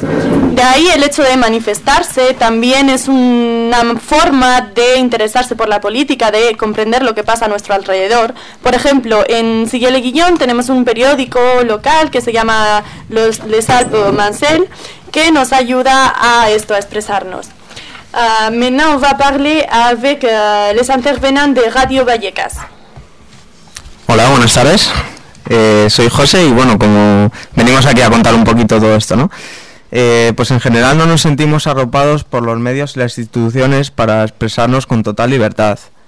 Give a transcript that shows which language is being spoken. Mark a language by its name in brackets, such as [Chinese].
[Spanish] De ahí el hecho de manifestarse también es una forma de interesarse por la política, de comprender lo que pasa a nuestro alrededor. Por ejemplo, en Siguele Guillón tenemos un periódico local que se llama Les Alpes de Mancel, que nos ayuda a esto, a expresarnos. [French] Maintenant on va parler avec les intervenants de Radio Vallecas. [Spanish] Hola, buenas tardes. Soy José y bueno, como venimos aquí a contar un poquito todo esto, ¿no? Pues en general no nos sentimos arropados por los medios y las instituciones para expresarnos con total libertad.